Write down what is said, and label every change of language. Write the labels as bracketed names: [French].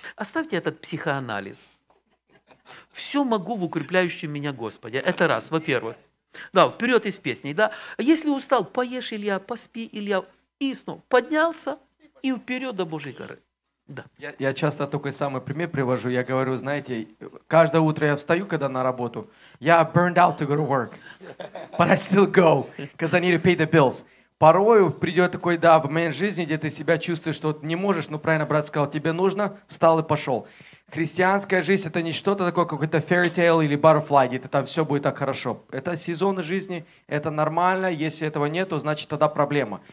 [Russian] Оставьте этот психоанализ. Все могу в укрепляющем меня Господе. Это раз, во-первых. Да, вперед из песни, да. Если устал, поешь, Илья, поспи, Илья. И снова поднялся, и вперед до Божьей горы. Да. Я часто такой самый пример привожу. Я говорю, знаете, каждое утро я встаю, когда на работу. Я [English] burned out to go to work, but I still go, because I need to pay the bills. [Russian] Порою придет такой, в момент жизни, где ты себя чувствуешь, что не можешь, ну, правильно брат сказал, тебе нужно, встал и пошел. Христианская жизнь — это не что-то такое, какой-то [English] fairy tale [Russian] или [English] butterfly, [Russian] где там все будет так хорошо. Это сезоны жизни, это нормально. Если этого нет, то значит тогда проблема.